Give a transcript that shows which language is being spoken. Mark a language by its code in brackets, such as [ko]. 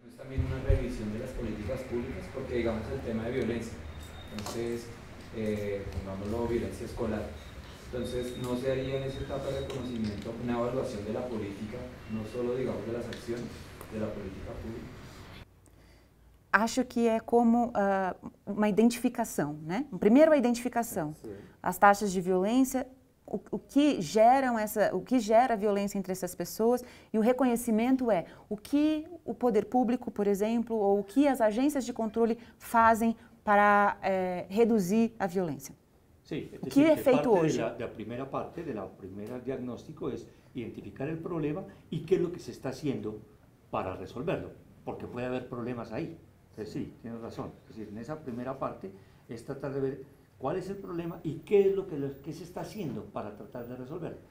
[es] Una revisión de las políticas públicas, porque digamos el tema de violencia, entonces, pongámoslo, violencia escolar, entonces no se haría en esa etapa de reconocimiento una evaluación de la política, no solo digamos de las acciones, de la política pública. [pt] Acho que é como uma identificação, né? Primeiro a identificação, as taxas de violência, o que geram essa, o que gera violência entre essas pessoas e o reconhecimento é o que o poder público, por exemplo, ou o que as agências de controle fazem para reduzir a violência. Sim, o que é feito hoje? Da primeira parte, da primeira diagnóstico é identificar o problema e que é o que se está fazendo para resolverlo, porque pode haver problemas aí. Então, sim, tem razão. Nessa primeira parte, é tratar de ver [es] ¿cuál es el problema y qué es lo que, qué se está haciendo para tratar de resolverlo?